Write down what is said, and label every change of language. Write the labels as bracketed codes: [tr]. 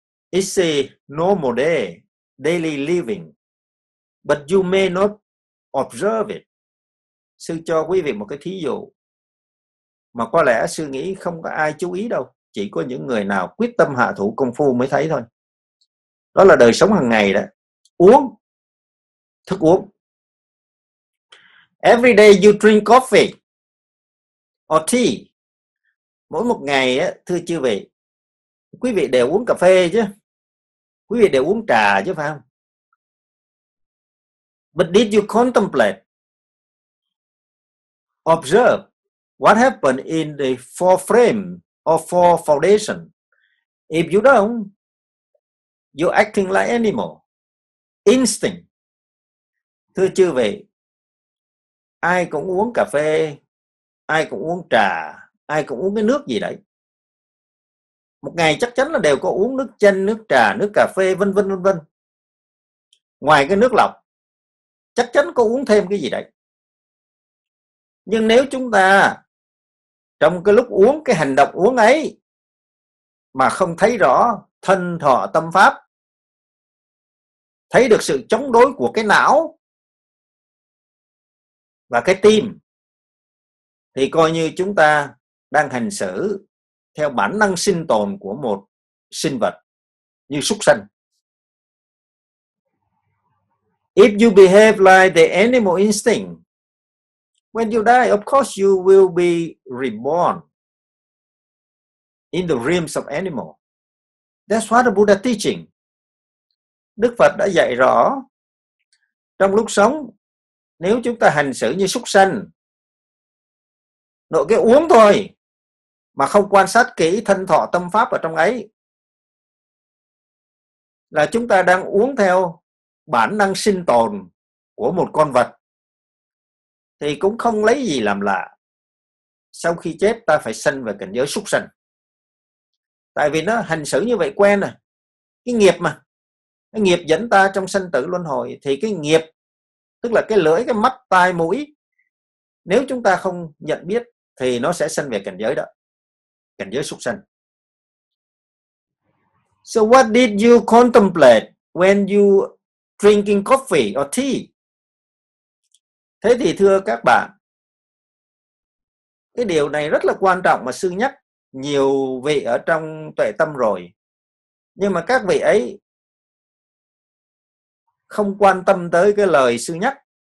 [en] It's a normal day, daily living, but you may not observe it. [vi] Sư cho quý vị một cái thí dụ mà có lẽ sư nghĩ không có ai chú ý đâu, chỉ có những người nào quyết tâm hạ thủ công phu mới thấy thôi. Đó là đời sống hàng ngày đó. Uống, thức uống. [en] Every day you drink coffee or tea. [vi] Mỗi một ngày, thưa chư vị, quý vị đều uống cà phê chứ, quý vị đều uống trà chứ, phải không? [en] But did you contemplate, observe what happened in the four frame or four foundation? If you don't, you're acting like animal. Instinct. [vi] Thưa chư vị, ai cũng uống cà phê, ai cũng uống trà, ai cũng uống cái nước gì đấy. Một ngày chắc chắn là đều có uống nước chanh, nước trà, nước cà phê, vân vân vân vân. Ngoài cái nước lọc, chắc chắn có uống thêm cái gì đấy. Nhưng nếu chúng ta trong cái lúc uống, cái hành động uống ấy mà không thấy rõ thân thọ tâm pháp, thấy được sự chống đối của cái não và cái tim, thì coi như chúng ta đang hành xử theo bản năng sinh tồn của một sinh vật như súc sanh. [en] If you behave like the animal instinct, when you die, of course you will be reborn in the realms of animal. That's what the Buddha teaching. [vi] Đức Phật đã dạy rõ, trong lúc sống, nếu chúng ta hành xử như súc sanh, nội cái uống thôi, mà không quan sát kỹ thân thọ tâm pháp ở trong ấy, là chúng ta đang uống theo bản năng sinh tồn của một con vật, thì cũng không lấy gì làm lạ. Sau khi chết ta phải sanh về cảnh giới súc sanh. Tại vì nó hành xử như vậy quen à. Cái nghiệp mà, cái nghiệp dẫn ta trong sanh tử luân hồi, thì cái nghiệp, tức là cái lưỡi, cái mắt, tai, mũi, nếu chúng ta không nhận biết thì nó sẽ sanh về cảnh giới đó, cảnh giới súc sanh. [en] So what did you contemplate when you drinking coffee or tea? [vi] Thế thì thưa các bạn, cái điều này rất là quan trọng mà sư nhắc nhiều vị ở trong tuệ tâm rồi, nhưng mà các vị ấy không quan tâm tới cái lời sư nhắc.